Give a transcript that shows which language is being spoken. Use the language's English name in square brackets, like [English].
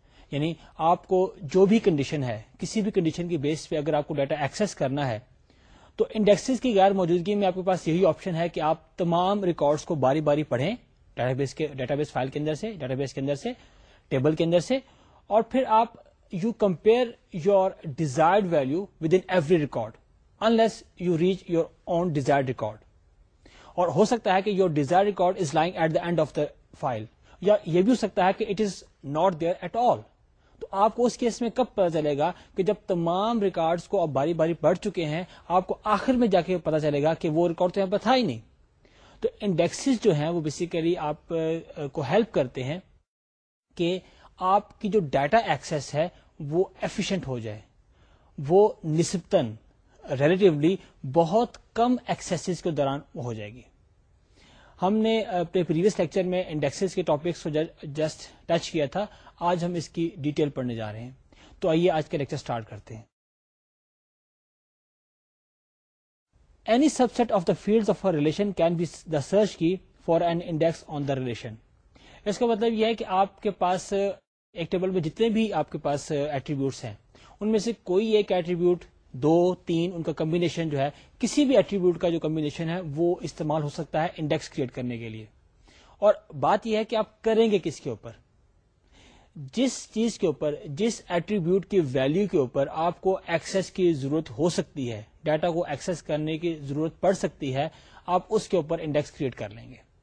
[Urdu] یعنی آپ کو جو بھی کنڈیشن ہے، کسی بھی کنڈیشن کی بیس پہ اگر آپ کو ڈیٹا ایکسس کرنا ہے، تو انڈیکسز کی غیر موجودگی میں آپ کے پاس یہی آپشن ہے کہ آپ تمام ریکارڈز کو باری باری پڑھیں ڈیٹا بیس فائل کے اندر سے، ڈیٹا بیس کے اندر سے، ٹیبل کے اندر سے، اور پھر آپ [English] you compare your desired value within every record unless you reach your own desired record. [Urdu] Or ho sakta hai ki [English] your desired record is lying at the end of the file, [Urdu] ya ye bhi ho sakta hai ki [English] it is not there at all. [Urdu] To aapko us case mein kab pata chalega ki jab tamam records ko ab bari bari padh chuke hain, aapko aakhir mein ja ke pata chalega ki wo record to yahan par tha hi nahi. To indexes jo hain wo basically aap ko help karte hain ke آپ کی جو data access ہے وہ efficient ہو جائے، وہ نسبتاً relatively بہت کم accesses کے دوران ہو جائے گی. ہم نے اپنے پریویس لیکچر میں انڈیکسز کے ٹاپکس کو جسٹ ٹچ کیا تھا، آج ہم اس کی ڈیٹیل پڑھنے جا رہے ہیں. تو آئیے آج کا لیکچر سٹارٹ کرتے ہیں. [English] Any subset of the fields of a relation can be the search key for an index on the relation. [Urdu] اس کا مطلب یہ ہے کہ آپ کے پاس ایک ٹیبل میں جتنے بھی آپ کے پاس ایٹریبیوٹس ہیں، ان میں سے کوئی ایک ایٹریبیوٹ، دو، تین، ان کا کمبینیشن جو ہے، کسی بھی ایٹریبیوٹ کا جو کمبینیشن ہے وہ استعمال ہو سکتا ہے انڈیکس کریٹ کرنے کے لیے. اور بات یہ ہے کہ آپ کریں گے کس کے اوپر، جس چیز کے اوپر، جس ایٹریبیوٹ کی ویلیو کے اوپر آپ کو ایکسس کی ضرورت ہو سکتی ہے، ڈیٹا کو ایکسس کرنے کی ضرورت پڑ سکتی ہے، آپ اس کے اوپر انڈیکس کریٹ کر لیں گے.